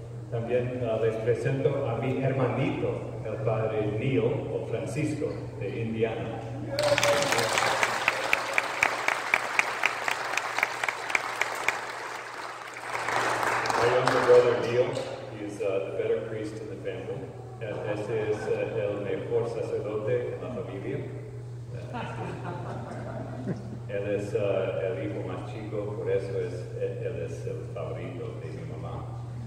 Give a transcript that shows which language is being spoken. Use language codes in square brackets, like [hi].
[es] También les presento a mi hermanito, el padre Neil o Francisco de Indiana. [en] My younger brother Neil is the better priest in the family. [es] Ese es el mejor sacerdote en la familia. Él es el hijo más chico, por eso es él es el favorito de mi mamá.